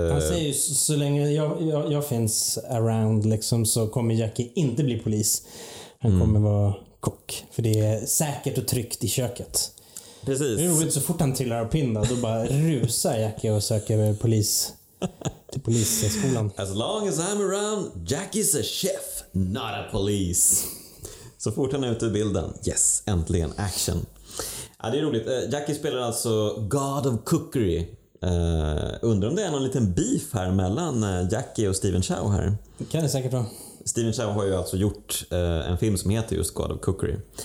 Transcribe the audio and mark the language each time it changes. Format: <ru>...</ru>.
<sv>Han säger ju så länge jag finns</sv> <en>around</en> <sv>liksom, så kommer Jackie inte bli polis. Han kommer vara kock. För det är säkert och tryggt i köket. Precis. Det är roligt, så fort han trillar och pinnar då bara rusar Jackie och söker polis... till polisskolan.</sv> <en>As long as I'm around, Jackie's a chef, not a police.</en> <sv>Så fort han är ute i bilden. Yes, äntligen action. Ja, det är roligt. Jackie spelar alltså God of Cookery. Undrar om det är någon liten beef här mellan Jackie och Steven Chow här. Det kan det säkert vara. Steven Chow har ju alltså gjort en film som heter just God of Cookery.</sv>